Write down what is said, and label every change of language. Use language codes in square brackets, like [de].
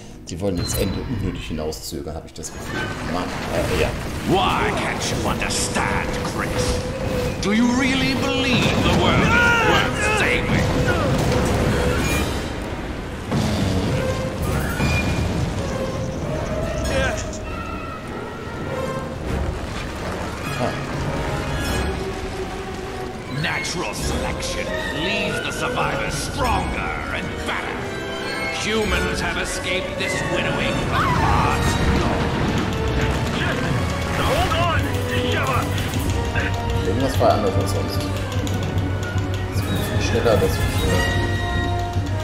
[de] Sie wollen jetzt Ende unnötig hinauszögern, habe ich das Gefühl. Mann, ja. [en] Why can't you understand, Chris? Do you really believe the world is worth saving? Selection leaves the survivors stronger and better. Humans have escaped this winnowing from God's blood. Hold on, [de] Shiva! Irgendwas war anders als sonst. Das ist ein bisschen schneller, das ist schneller.